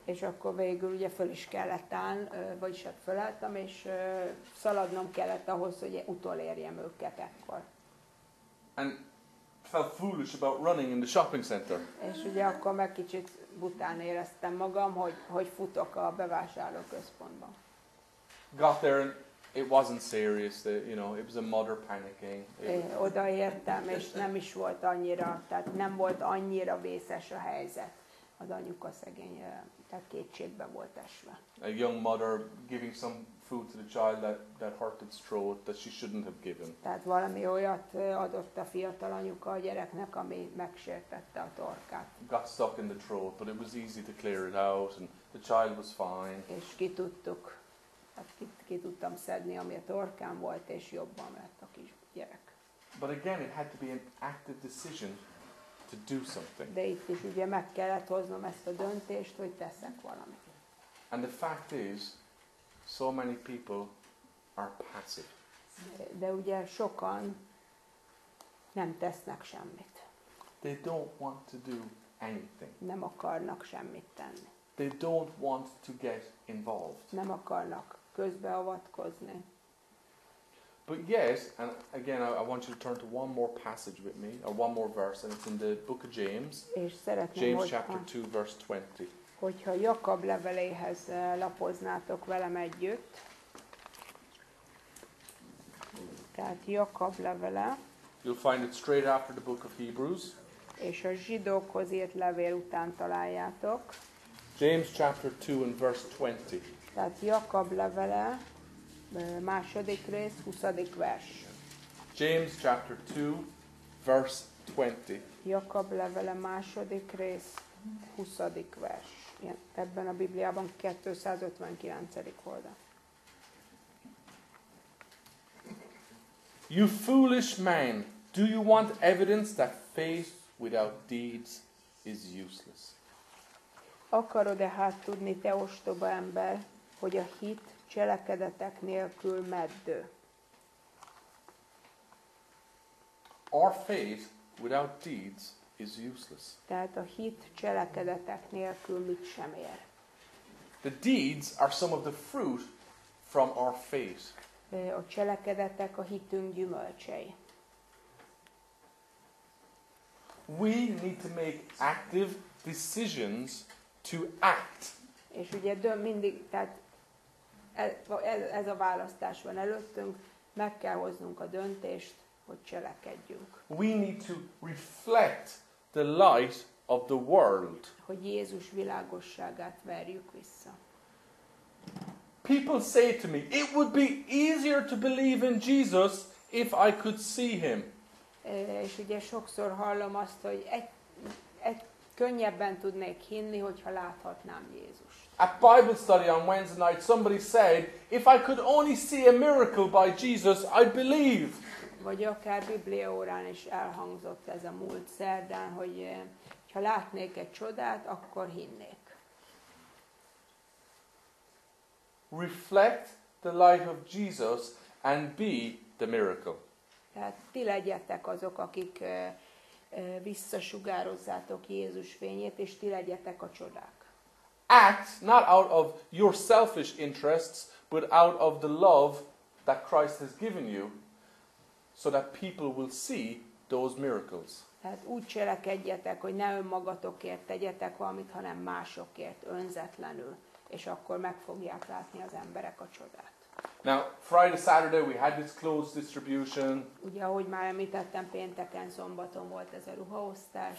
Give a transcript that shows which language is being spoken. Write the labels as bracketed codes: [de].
[hu] És akkor végül ugye föl is kellett állni, vagyis hát fölálltam, és szaladnom kellett ahhoz, hogy utolérjem őket ekkor. [en] And felt foolish about running in the shopping center. [hu] És ugye akkor meg kicsit bután éreztem magam, hogy futok a bevásárlóközpontban. [en] Got there and it wasn't serious, you know, it was a mother panicking. [hu] Odaértem, és nem is volt annyira, tehát nem volt annyira vészes a helyzet. Az anyuka szegény, tehát kétségbe volt esve. [en] A young mother giving some food to the child that hurt its throat, that she shouldn't have given. [hu] Tehát valami olyat adott a fiatal anyuka a gyereknek, ami megsértette a torkát. [en] Got stuck in the throat, but it was easy to clear it out, and the child was fine. [hu] És kitudtuk. Hát ki tudtam szedni, ami a torkán volt, és jobban lett a kis gyerek. [en] But again, it had to be an active decision to do something. [hu] De itt is ugye meg kellett hoznom ezt a döntést, hogy teszek valamit. [en] And the fact is, so many people are passive. [hu] De ugye sokan nem tesznek semmit. [en] They don't want to do anything. [hu] Nem akarnak semmit tenni. [en] They don't want to get involved. [hu] Nem akarnak közbeavatkozni. [en] But yes, and again, I want you to turn to one more passage with me, or one more verse, and it's in the book of James. [hu] És szeretném, [en] James chapter 2, verse 20. [hu] Hogyha Jakab leveléhez lapoznátok velem együtt. Tehát Jakab levele. [en] You'll find it straight after the book of Hebrews. [hu] És a zsidókhoz írt levél után találjátok. [en] James chapter 2 and verse 20. [hu] Tehát Jakab levele, második rész, 20. vers. [en] James chapter 2, verse 20. [hu] Jakab levele, második rész, 20. vers. Igen, ebben a Bibliában 259. oldal. [en] You foolish man, do you want evidence that faith without deeds is useless? [hu] Akarod-e hát tudni, te ostoba ember, hogy a hit cselekedetek nélkül meddő? [en] Our faith without deeds is useless. [hu] Tehát a hit cselekedetek nélkül mit sem ér. [en] The deeds are some of the fruit from our faith. [hu] A cselekedetek a hitünk gyümölcsei. [en] We need to make active decisions to act. [hu] És ugye mindig, tehát ez a választás van előttünk, meg kell hoznunk a döntést, hogy cselekedjünk. [en] We need to reflect the light of the world. [hu] Hogy Jézus világosságát verjük vissza. [en] People say to me, it would be easier to believe in Jesus if I could see him. [hu] És ugye sokszor hallom azt, hogy könnyebben tudnék hinni, hogyha láthatnám Jézust. [en] A Bible study on Wednesday night, somebody said, if I could only see a miracle by Jesus, I'd believe. [hu] Vagy akár Biblia órán is elhangzott ez a múlt szerdán, hogy ha látnék egy csodát, akkor hinnék. [en] Reflect the light of Jesus and be the miracle. [hu] Tehát ti legyetek azok, akik visszasugározzátok Jézus fényét, és ti legyetek a csodák. [en] Act not out of your selfish interests, but out of the love that Christ has given you, so that people will see those miracles. [hu] Tehát úgy cselekedjetek, hogy ne önmagatokért tegyetek valamit, hanem másokért, önzetlenül, és akkor meg fogják látni az emberek a csodát. [en] Now, Friday, Saturday, we had this clothes distribution. [hu] Ugye, ahogy már említettem, pénteken, szombaton volt ez a ruhaosztás.